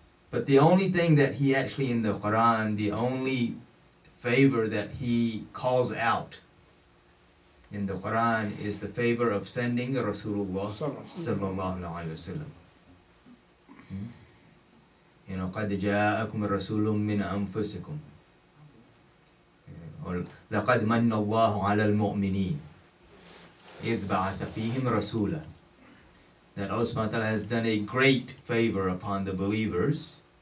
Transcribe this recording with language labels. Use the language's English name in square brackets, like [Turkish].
[English] But the only thing that He actually, in the Quran, the only favor that He calls out in the Quran is the favor of sending Rasulullah sallallahu alayhi wa sallam. You know, [Arabic] قَدْ جَاءَكُمْ رَسُولٌ مِّنْ أَنفُسِكُمْ or لَقَدْ مَنَّ اللَّهُ عَلَى الْمُؤْمِنِينَ إِذْ بَعَثَ فِيهِمْ رَسُولًا. [English] That Allah subhanahu wa ta'ala has done a great favor upon the believers.